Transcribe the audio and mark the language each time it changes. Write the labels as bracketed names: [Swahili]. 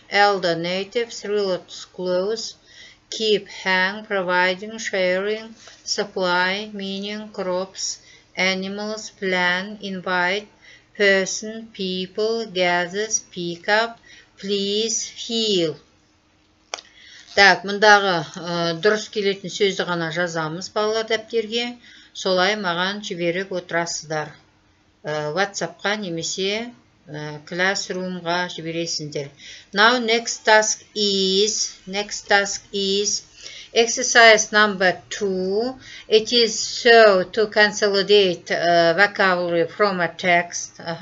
[English] Elder, native, relatives, close. Keep, hang, providing, sharing, supply, meaning, crops, animals, plan, invite, person, people, gathers, pick up, please, heal. [Kazakh] Так, мындағы дұрыс келетін сөзді ғана жазамыз балалар дәптерге. Солай маған жіберіп отырасыздар. WhatsApp-қа немесе Classroom-ға жібересіндер. [English] Now, next task is exercise number 2. It is so to consolidate vocabulary from a text.